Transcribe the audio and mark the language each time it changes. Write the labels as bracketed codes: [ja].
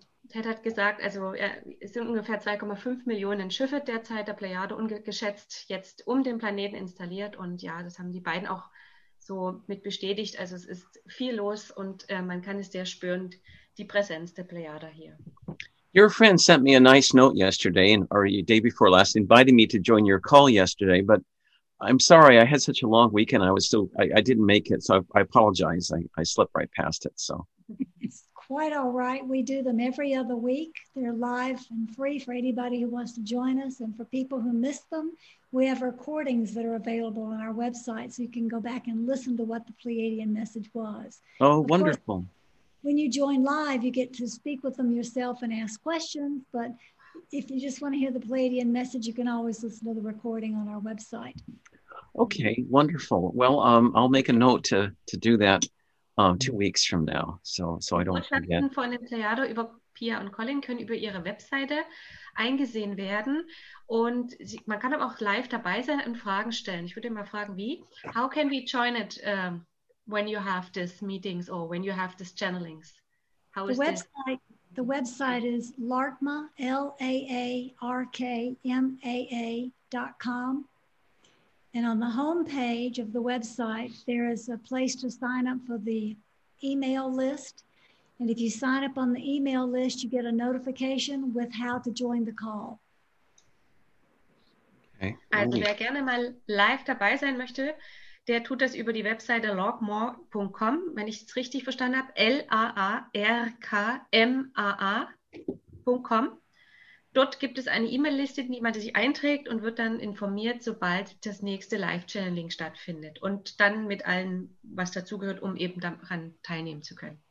[de] Ted hat gesagt, also es sind ungefähr 2,5 Millionen Schiffe derzeit der Plejade ungeschätzt jetzt um den Planeten installiert. Und ja, das haben die beiden auch so mit bestätigt. Also es ist viel los und man kann es sehr spüren, die Präsenz der Plejade hier. [en] Your friend sent me a nice note yesterday, or day before last, inviting me to join your call yesterday. But I'm sorry, I had such a long weekend. I didn't make it, so I apologize. I slipped right past it. So it's quite all right. We do them every other week. They're live and free for anybody who wants to join us. And for people who miss them, we have recordings that are available on our website, so you can go back and listen to what the Pleiadian message was. Oh, of wonderful. Course, when you join live, you get to speak with them yourself and ask questions. But if you just want to hear the Pleiadian message, you can always listen to the recording on our website. Okay, wonderful. Well, I'll make a note to do that 2 weeks from now, so I don't forget. [de] Botschaften von den Plejado über Pia und Colin können über ihre Webseite eingesehen werden. Und man kann aber auch live dabei sein und Fragen stellen. Ich würde mal fragen, wie? [en] How can we join it when you have these meetings or when you have these channelings? How is the website? The website is LARKMA, LARKMAA.com. And on the home page of the website, there is a place to sign up for the email list. And if you sign up on the email list, you get a notification with how to join the call. [de] Also wer gerne mal live dabei sein möchte, der tut das über die Webseite larkmaa.com, wenn ich es richtig verstanden habe, larkmaa.com. Dort gibt es eine E-Mail-Liste, in die man sich einträgt und wird dann informiert, sobald das nächste Live-Channeling stattfindet und dann mit allem, was dazugehört, um eben daran teilnehmen zu können.